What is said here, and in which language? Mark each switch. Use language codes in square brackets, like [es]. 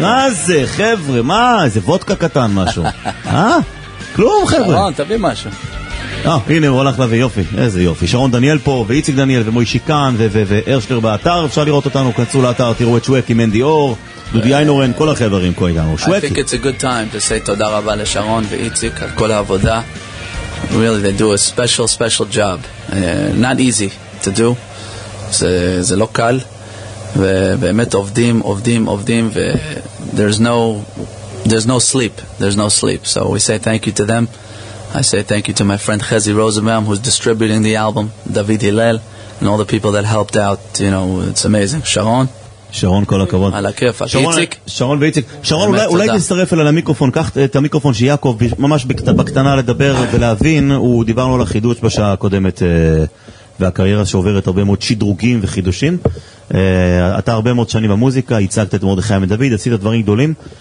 [he] מה זה חבר'ה, מה? איזה וודקה קטן משהו. כלום חבר'ה. שרון, תביא משהו. הנה הוא הלך להביא, יופי, איזה יופי. שרון דניאל פה, ואיציק דניאל, ומוישי כאן, וארשקר באתר, אפשר לראות אותנו, כנסו לאתר, תראו את שווקי, מנדי אור, דודי איינורן, כל החברים כה איתנו, שווקי. [en] I think it's a good time to say [he] תודה רבה לשרון ואיציק על כל העבודה. [en] Really, they do a special, special job. Not easy to do. [he] זה לא קל. ובאמת עובדים, עובדים, עובדים, [en] there's no sleep. So we say thank you to them. I say thank you to my friend Chezi Rosenbaum who's distributing the album, David Hillel, and all the people that helped out. You know, it's amazing. Sharon? [he] Sharon, כל הכבוד. על הכיף. איציק? Sharon ואיציק. Sharon, אולי תצטרף אל המיקרופון. קח את המיקרופון שיעקב ממש בקטנה לדבר ולהבין. הוא דיברנו על החידוש בשעה הקודמת והקריירה שעוברת הרבה מאוד שדרוגים וחידושים. אתה הרבה מאוד שנים במוזיקה, הצגת את מרדכי עמד דוד, עשית דברים גדולים.